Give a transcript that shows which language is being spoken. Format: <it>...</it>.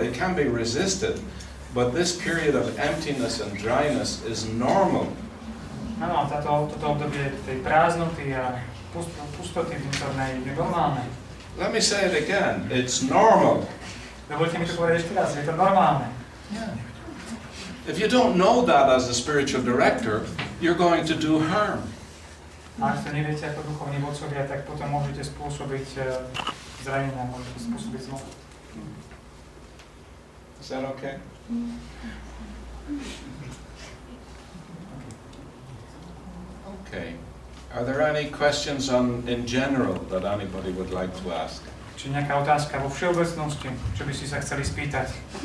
<en>It can be resisted, but this period of emptiness and dryness is normal.</en> <sk>Ano, toto obdobie tej prázdnoty a pustoty vnútornej je normálne.</sk> <en>Let me say it again. It's normal.</en> <sk>Dovolte mi to povedať ešte raz. Je to normálne.</sk> <en>If you don't know that as the spiritual director, you're going to do harm.</en> <sk>Ak to neviete ako duchovní vodcovia, tak potom môžete spôsobiť zranenia, môžete spôsobiť zlo.</sk> <en>Is that okay? Okay. Are there any questions in general that anybody would like to ask?</en> <sk>Či nejaká otázka vo všeobecnosti, čo by si sa chceli spýtať?</sk>